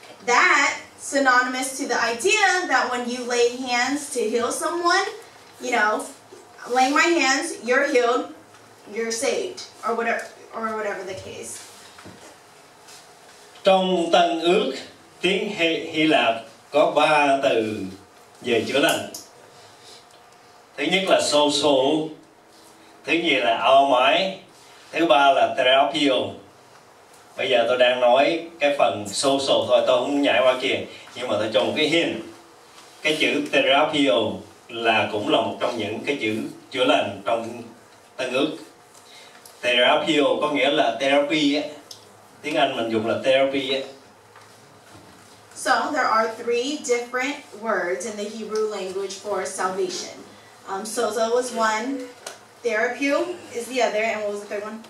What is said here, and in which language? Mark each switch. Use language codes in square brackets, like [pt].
[en] That, synonymous to the idea that when you lay hands to heal someone, you know, laying my hands, you're healed, you're saved, or whatever the case. [vi] Trong Tân Ước, tiếng Hy Lạp có ba từ về chữa lành. Thứ nhất là sozo, thứ nhì là aomai, thứ ba là therapio. Bây giờ tôi đang nói cái phần sozo thôi, tôi không nhảy qua kia, nhưng mà tôi cho một cái hint. Cái chữ therapio là cũng là một trong những cái chữ chữa lành trong Tân Ước. Therapio có nghĩa là therapy á, tiếng Anh mình dùng là therapy á. [en] So there are three different words in the Hebrew language for salvation. Sozo was one, therapy is the other, and what was the third one?